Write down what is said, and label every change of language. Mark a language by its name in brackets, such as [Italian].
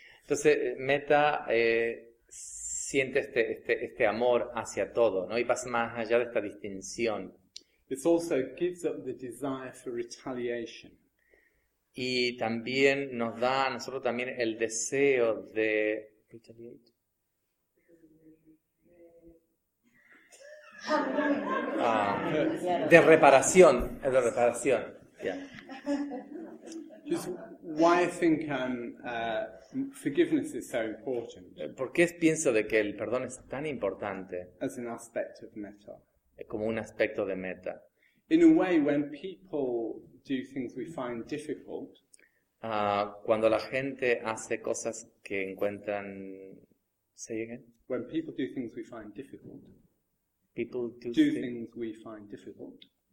[Spanish] Entonces metta siente este amor hacia todo, ¿no? Y pasa más allá de esta distinción. [English] It also gives up the desire for retaliation. [Spanish] Y también nos da a nosotros también el deseo de retaliate. De reparación. Yeah. [English] Just why I think forgiveness is so important. [Spanish] ¿Por qué pienso de que el perdón es tan importante? [English] As an aspect of metta. [Spanish] Como un aspecto de meta. [English] In a way, when people do things we find difficult, [Spanish] cuando la gente hace cosas que encuentran, [English] say again. When people do things we find difficult. People do things we find difficult.